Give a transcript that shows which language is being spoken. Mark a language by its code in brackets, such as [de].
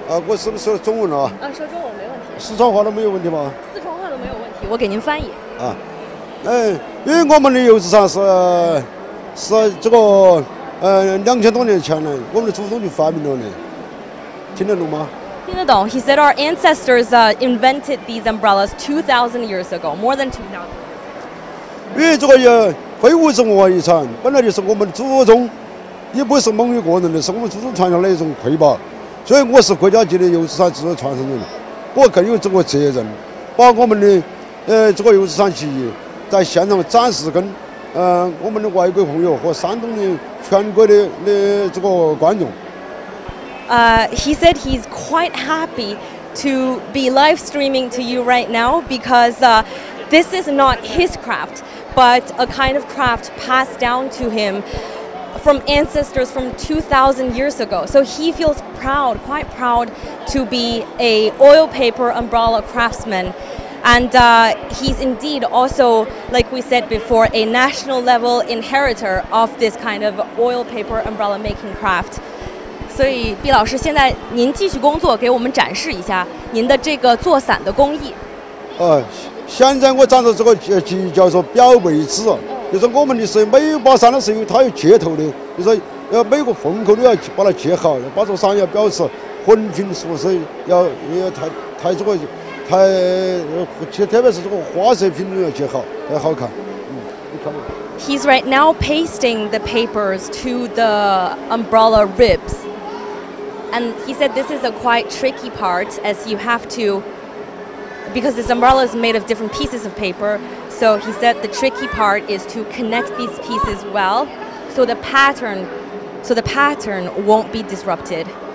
[zh] 我是不是说中文了？啊，说中文没问题。四川话都没有问题吗？四川话都没有问题，我给您翻译。啊，因为我们的油纸伞是这个2000多年前呢，我们的祖宗就发明了呢，听得懂吗？听得懂。 [en] He said our ancestors invented these umbrellas 2,000 years ago, more than 2,000. [zh] 因为这个非物质文化遗产本来就是我们祖宗，也不是某一个人的，是我们祖宗传下来一种瑰宝，所以我是国家级的油纸伞制作传承人。我更有这个责任，把我们的这个油纸伞技艺在现场展示跟我们的外国朋友和山东的全国的这个观众。 [en] He said he's quite happy to be live streaming to you right now because this is not his craft, but a kind of craft passed down to him from ancestors from 2,000 years ago. So he feels proud, quite proud to be a oil paper umbrella craftsman. And he's indeed also, like we said before, a national level inheritor of this kind of oil paper umbrella making craft. [zh] 所以毕老师现在您继续工作，给我们展示一下您的这个做伞的工艺。现在我展示这个技艺叫做表背纸，就是我们的是每把伞的时候它有接头的，就是要每个缝口都要把它接好，把这个伞要表示浑平舒适，要抬这个抬，特别是这个花色平均要接好，要好看。 [en] He's right now pasting the papers to the umbrella ribs, and he said this is a quite tricky part as you have to. Because this umbrella is made of different pieces of paper, so he said the tricky part is to connect these pieces well, so the pattern won't be disrupted.